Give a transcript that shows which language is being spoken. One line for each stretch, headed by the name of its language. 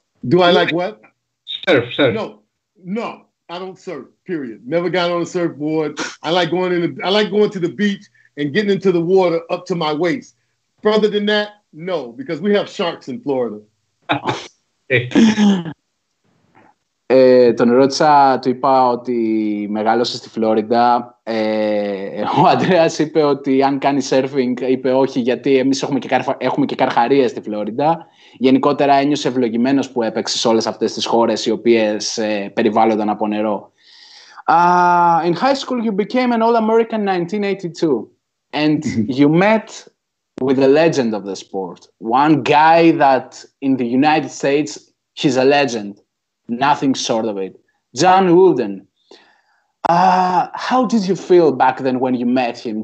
English: Do I like what? Surf. No, I don't surf, period. Never got on a surfboard. I like going to the beach and getting into the water up to my waist. Further than that, no, because we have sharks in Florida.
Greek: τον ρώτησα, του είπα ότι μεγάλωσε στη Φλόριντα. ο Ανδρέας είπε ότι αν κάνει σέρφινγκ, είπε όχι, γιατί εμείς έχουμε και καρχαρίες στη Φλόριντα. Γενικότερα ένιωσε ευλογημένος που έπαιξε σε όλες αυτές τις χώρες οι οποίες περιβάλλονταν από νερό.
English: In high school you became an All-American 1982 and you met with a legend of the sport. One guy that in the United States, he's a legend. Nothing short of it. John Wooden. How did you feel back then when you met him?